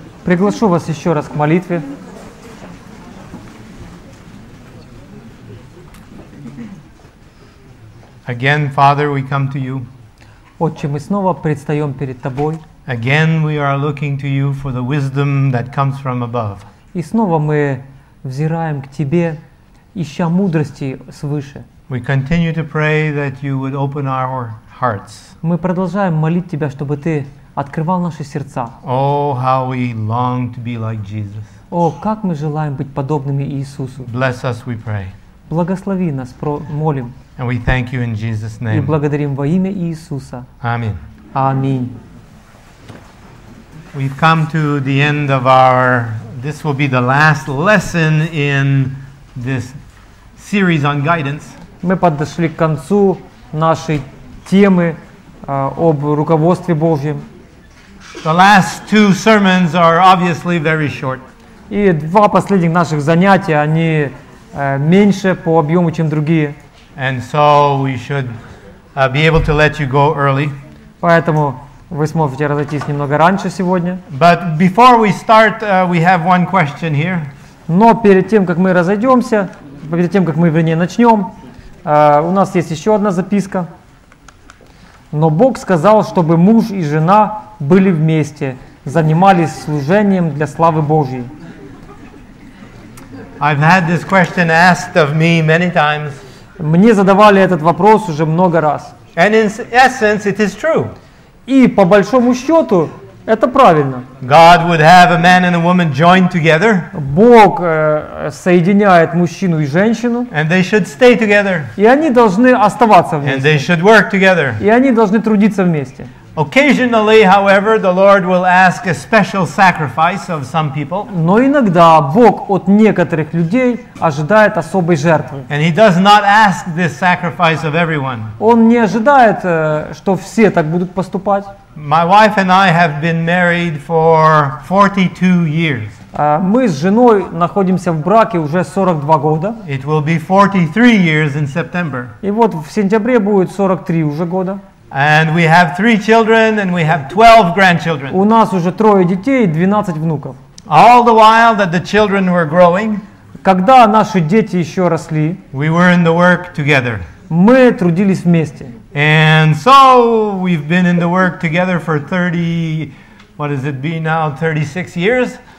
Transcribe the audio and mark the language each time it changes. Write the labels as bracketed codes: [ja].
[ru] Приглашу вас еще раз к молитве. [en] Again, Father, we come to you. [ru] Отче, мы снова предстаем перед Тобой. [en] Again, we are looking to you for the wisdom that comes from above. [ru] И снова мы взираем к Тебе, ища мудрости свыше. [en] We continue to pray that you would open our hearts. [ru] Мы продолжаем молить Тебя, чтобы Ты открывал наши сердца. [en] Oh, how we long to be like Jesus. [ru] О, как мы желаем быть подобными Иисусу. [en] Bless us, we pray. [ru] Благослови нас, молим. [en] And we thank you in Jesus' name. [ru] И благодарим во имя Иисуса. Аминь. Аминь. [en] We've come to the end of our... This will be the last lesson in this series on guidance. [ru] Мы подошли к концу нашей темы об руководстве Божьем. [en] The last two sermons are obviously very short. [ru] И два последних наших занятия, они меньше по объему, чем другие. [en] And so we should be able to let you go early. [ru] Поэтому вы сможете разойтись немного раньше сегодня. [en] But before we start, we have one question here. [ru] Но перед тем, как мы разойдемся, перед тем, как мы, вернее, начнем, у нас есть еще одна записка. Но Бог сказал, чтобы муж и жена были вместе, занимались служением для славы Божьей. [en] I've had this question asked of me many times. [ru] Мне задавали этот вопрос уже много раз. [en] And in essence, it is true. [ru] И по большому счету, это правильно. [en] God would have a man and a woman joined together. [ru] Бог соединяет мужчину и женщину. [en] And they should stay together. [ru] И они должны оставаться вместе. [en] And they should work together. [ru] И они должны трудиться вместе. [en] Occasionally, however, the Lord will ask a special sacrifice of some people. [ru] Но иногда Бог от некоторых людей ожидает особой жертвы. [en] And He does not ask this sacrifice of everyone. [ru] Он не ожидает, что все так будут поступать. [en] My wife and I have been married for 42 years. [ru] Мы с женой находимся в браке уже 42 года. [en] It will be 43 years in September. [ru] И вот в сентябре будет 43 уже года. [en] And we have three children and we have 12 grandchildren. [ru] У нас уже трое детей и 12 внуков. [en] All the while that the children were growing, [ru] когда наши дети еще росли, [en] we were in the work together. [ru] Мы трудились вместе. [en] And so we've been in the work together for 30, what has it been now, 36 years?